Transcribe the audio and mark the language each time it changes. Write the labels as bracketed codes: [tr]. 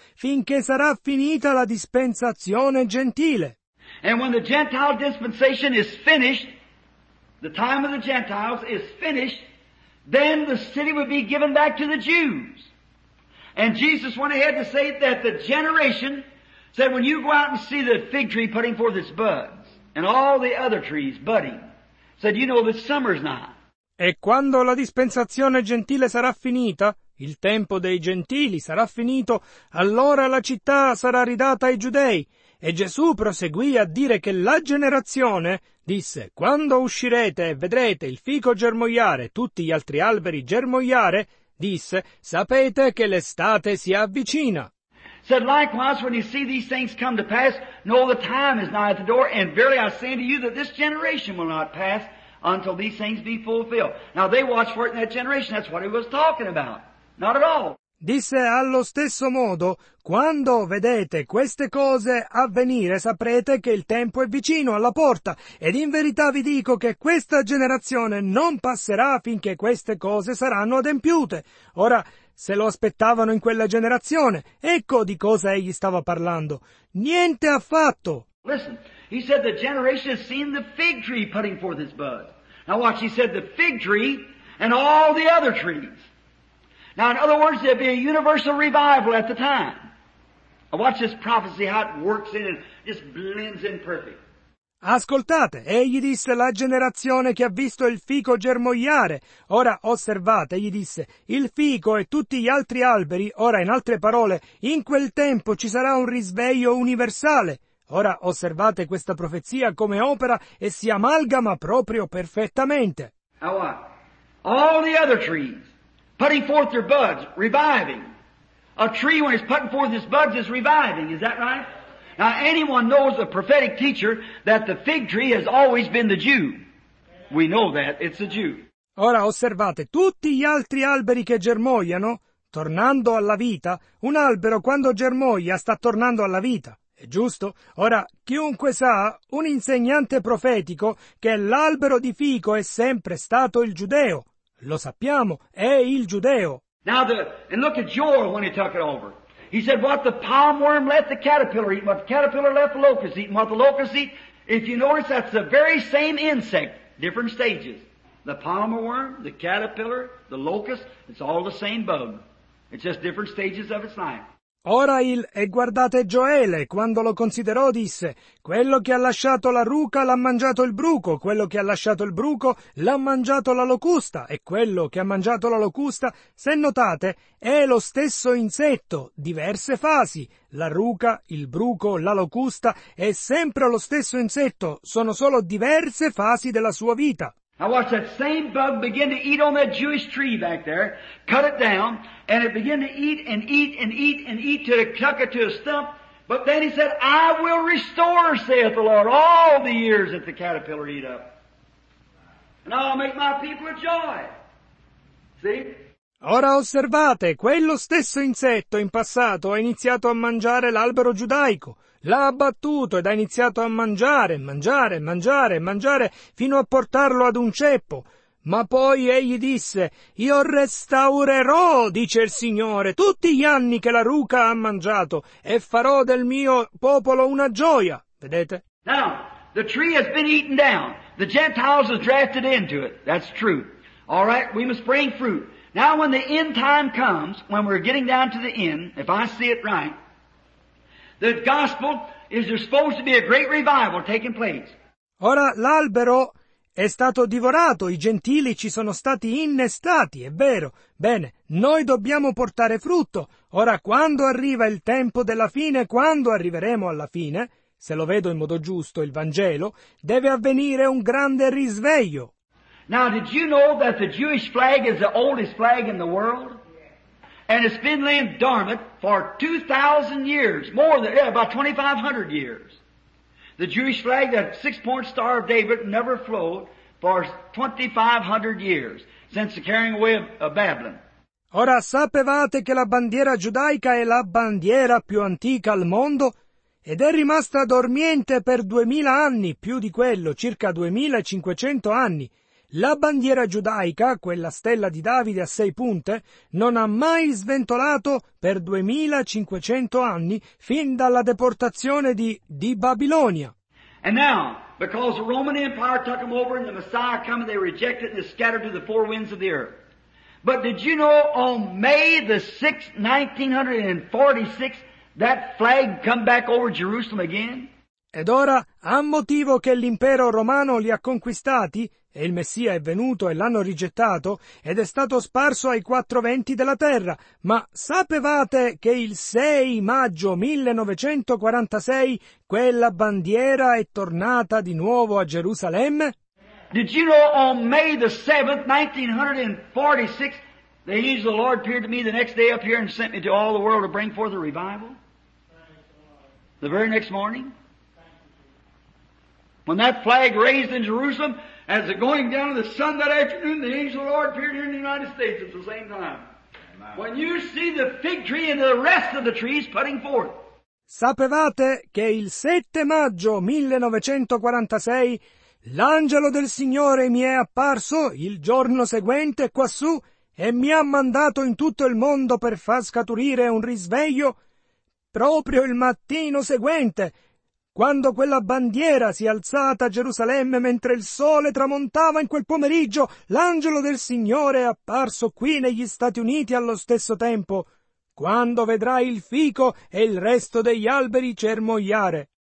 [it] Finché sarà finita la dispensazione gentile. [en] And when the Gentile dispensation is finished, the time of the Gentiles is finished, then the city would be given back to the Jews. And Jesus went ahead to say that the generation said, when you go out and see the fig tree putting forth its buds, and all the other trees budding, said, you know, the summer's nigh. [it] E quando la dispensazione gentile sarà finita, il tempo dei gentili sarà finito, allora la città sarà ridata ai giudei. E Gesù proseguì a dire che la generazione, disse, quando uscirete e vedrete il fico germogliare e tutti gli altri alberi germogliare, disse, sapete che l'estate si avvicina. [en] Said likewise, when you see these things come to pass, know the time is nigh at the door, and verily I say unto you that this generation will not pass until these things be fulfilled. Now they watch for it in that generation, that's what he was talking about. Not at all. [it] Disse allo stesso modo, quando vedete queste cose avvenire, saprete che il tempo è vicino alla porta, ed in verità vi dico che questa generazione non passerà finché queste cose saranno adempiute. Ora, se lo aspettavano in quella generazione, ecco di cosa egli stava parlando. Niente affatto! [en] Listen, he said the generation has seen the fig tree putting forth its bud. Now watch, he said the fig tree and all the other trees. Now, in other words, there'd be a universal revival at the time. Now watch this prophecy, how it works in and just blends in perfect. [it] Ascoltate, egli disse la generazione che ha visto il fico germogliare. Ora osservate, egli disse, il fico e tutti gli altri alberi. Ora, in altre parole, in quel tempo ci sarà un risveglio universale. Ora osservate questa profezia come opera e si amalgama proprio perfettamente. [en] Now what? All the other trees. Putting forth their buds, reviving. A tree when it's putting forth its buds is reviving, is that right? Now anyone knows the prophetic teacher that the fig tree has always been the Jew. We know that, it's a Jew. [it] Ora osservate, tutti gli altri alberi che germogliano, tornando alla vita, un albero quando germoglia sta tornando alla vita. È giusto? Ora, chiunque sa, un insegnante profetico, che l'albero di fico è sempre stato il giudeo. Lo sappiamo, è il giudeo. [en] Now and look at Joel when he took it over. He said, what the palm worm left the caterpillar eat, what the caterpillar left the locust eat, and what the locust eat. If you notice, that's the very same insect, different stages. The palm worm, the caterpillar, the locust, it's all the same bug. It's just different stages of its life. [it] Ora il, e guardate Gioele, quando lo considerò disse, quello che ha lasciato la ruca l'ha mangiato il bruco, quello che ha lasciato il bruco l'ha mangiato la locusta, e quello che ha mangiato la locusta, se notate, è lo stesso insetto, diverse fasi, la ruca, il bruco, la locusta, è sempre lo stesso insetto, sono solo diverse fasi della sua vita. [en] Now watch that same bug begin to eat on that Jewish tree back there, cut it down, and it began to eat and eat and eat and eat till it took it to a stump. But then he said, I will restore, saith the Lord, all the years that the caterpillar eat up. And I'll make my people a joy. See? [it] Ora osservate, quello stesso insetto in passato ha iniziato a mangiare l'albero giudaico. L'ha abbattuto ed ha iniziato a mangiare, mangiare, mangiare, mangiare, fino a portarlo ad un ceppo. Ma poi egli disse, io restaurerò, dice il Signore, tutti gli anni che la ruca ha mangiato, e farò del mio popolo una gioia. Vedete? [en] Now, the tree has been eaten down. The Gentiles have drafted into it. That's true. All right, we must bring fruit. Now when the end time comes, when we're getting down to the end, if I see it right, the gospel is there supposed to be a great revival taking place. [it] Ora l'albero è stato divorato, i gentili ci sono stati innestati, è vero. Bene, noi dobbiamo portare frutto. Ora quando arriva il tempo della fine, quando arriveremo alla fine, se lo vedo in modo giusto il Vangelo, deve avvenire un grande risveglio. [en] Now did you know that the Jewish flag is the oldest flag in the world? And it's been laying dormant for 2,000 years, more than, yeah, about 2,500 years. The Jewish flag, that six-point star of David, never flowed for 2,500 years, since the carrying away of Babylon. [it] Ora, sapevate che la bandiera giudaica è la bandiera più antica al mondo? Ed è rimasta dormiente per 2,000 anni, più di quello, circa 2,500 anni. La bandiera giudaica, quella stella di Davide a sei punte, non ha mai sventolato per 2,500 anni, fin dalla deportazione di Babilonia. [en] And now, because the Roman Empire took them over and the Messiah came, they rejected and scattered to the four winds of the earth. But did you know on May the 6th, 1946, that flag come back over Jerusalem again? [it] Ed ora, a motivo che l'impero romano li ha conquistati, e il Messia è venuto e l'hanno rigettato, ed è stato sparso ai quattro venti della terra, ma sapevate che il 6 maggio 1946 quella bandiera è tornata di nuovo a Gerusalemme? [en] Did you know on May the 7th, 1946, the angel of the Lord appeared to me the next day up here and sent me to all the world to bring forth a revival? The very next morning? When that flag raised in Jerusalem, as it going down to the sun that afternoon, the angel of the Lord appeared here in the United States at the same time. When you see the fig tree and the rest of the trees putting forth. [it] Sapevate che il 7 maggio 1946 l'angelo del Signore mi è apparso il giorno seguente quassù e mi ha mandato in tutto il mondo per far scaturire un risveglio proprio il mattino seguente, quando quella bandiera si è alzata a Gerusalemme mentre il sole tramontava in quel pomeriggio, l'angelo del Signore è apparso qui negli Stati Uniti allo stesso tempo, quando vedrai il fico e il resto degli alberi germogliare.